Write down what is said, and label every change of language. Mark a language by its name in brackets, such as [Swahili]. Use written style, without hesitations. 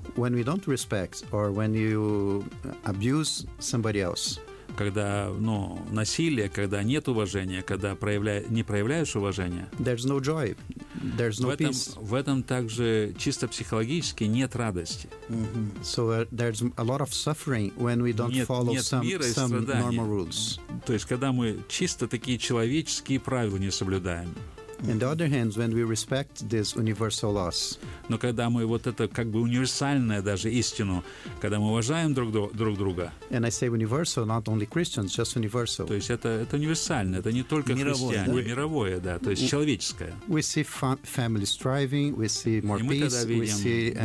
[English] When we don't respect or when you abuse somebody else. [Russian] Когда, ну, насилие, когда нет уважения, когда не проявляешь уважения. [English] There's no joy. There's no peace. [Russian] В этом также чисто психологически нет радости. Mm-hmm. [English] So there's a lot of suffering when we don't follow some normal rules. [Russian] То есть когда мы чисто такие человеческие правила не соблюдаем. [English] On the other hand, when we respect these universal laws. [Russian] Но когда мы вот это как бы универсальное даже истину, когда мы уважаем друг друга. [English] And I say universal, not only Christians, just universal. [Russian] То есть это универсальное, это не только мировое, христиане, да? Мировое, да, то есть человеческое. [English] We see families thriving, we see more peace,